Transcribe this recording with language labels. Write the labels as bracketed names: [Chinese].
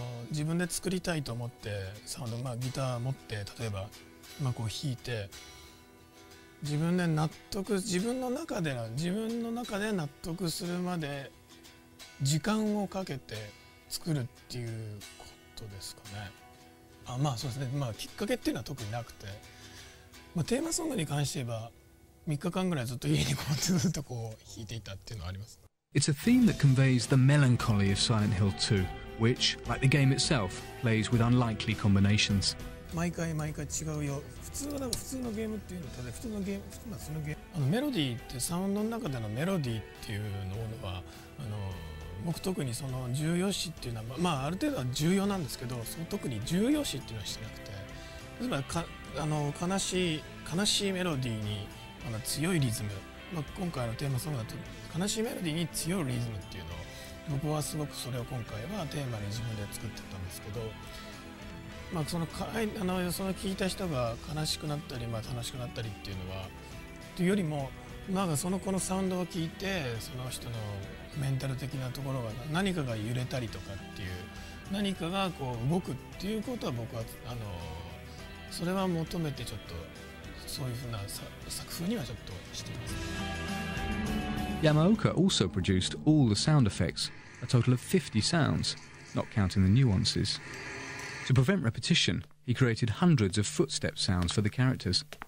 [Japanese] 自分で作りたいと思ってサウンド、まあ、ギター持って例えば、まあ、こう弾いて自分で納得、自分の中で納得するまで時間をかけて作るっていうことですかね。あ、まあそうですね、まあ、きっかけっていうのは特になくて、まあ、テーマソングに関して言えば3日間ぐらいずっと家にこもってずっとこう弾いていたっていうのはあります。 [English] It's a theme that conveys the melancholy of Silent Hill 2, which, like the game itself, plays with unlikely combinations. [Japanese] 毎回毎回違うよ。普通のゲームっていうのは、普通のゲーム、あのメロディーってサウンドの中でのメロディーっていうのは、僕特にその重要視っていうのは、まあある程度は重要なんですけど、その特に重要視っていうのはしてなくて、例えば悲しいメロディーに強いリズム、まあ、今回のテーマソングだと悲しいメロディーに強いリズムっていうのを、僕はすごくそれを今回はテーマに自分で作ってたんですけど、まあ、その聞いた人が悲しくなったり、まあ、楽しくなったりっていうのはというよりも、なんかその子のサウンドを聞いてその人のメンタル的なところが何かが揺れたりとかっていう、何かがこう動くっていうことは、僕はそれは求めてちょっとそういうふうな作風にはちょっとしています。 [English] Yamaoka also produced all the sound effects, a total of 50 sounds, not counting the nuances. To prevent repetition, he created hundreds of footstep sounds for the characters.